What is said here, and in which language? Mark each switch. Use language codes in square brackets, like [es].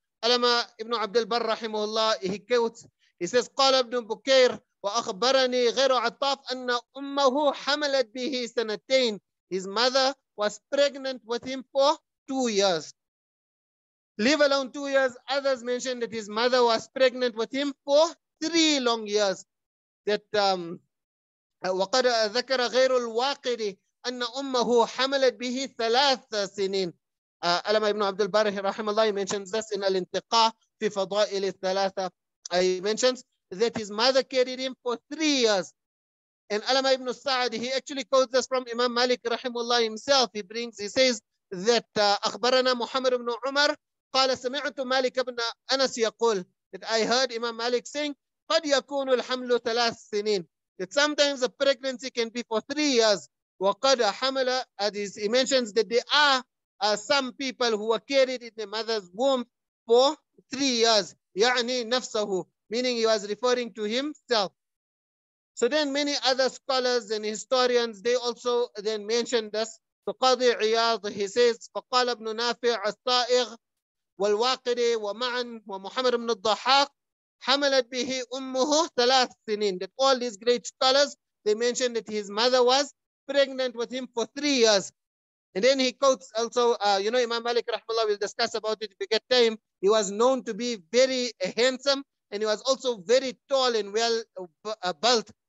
[en] Alama ibn Abdul Barr rahimahullah, he quotes, he says, Qala ibn Bukair, [ar] وأخبرني غير عطاف أن أمه حملت به سنتين. [en] His mother was pregnant with him for 2 years. Leave alone 2 years. Others mentioned that his mother was pregnant with him for 3 long years. [ar] That وقد ذكر غير الواقد أن أمه حملت به 3 سنين. [en] Alama ibn Abdul Barih rahimahullah mentions this in Al-Intiqa fi Fadail al-Thalatha. He mentions that his mother carried him for 3 years. And Alama ibn Sa'ad, he actually quotes this from Imam Malik rahimullah himself. He brings, he says that [ar] أخبرنا محمد بن عمر قال سمعت مالك بن أنس يقول, [en] that I heard Imam Malik saying [ar] قد يكون الحمل 3 سنين, [en] that sometimes a pregnancy can be for 3 years. [ar] وقد حمل, [en] as he mentions that there are some people who were carried in the mother's womb for 3 years. [ar] يعني نفسه, [en] meaning he was referring to himself. So then many other scholars and historians, they also then mentioned this. So Qadi Iyad, he says, [ar] فقال ابن نافع الصائغ والواقد ومعا ومحمد بن الضحاق حملت به أمه 3 سنين. [en] That all these great scholars, they mentioned that his mother was pregnant with him for 3 years. And then he quotes also, you know, Imam Malik rahimahullah, we'll discuss about it if we get time. He was known to be very handsome, and he was also very tall and well built.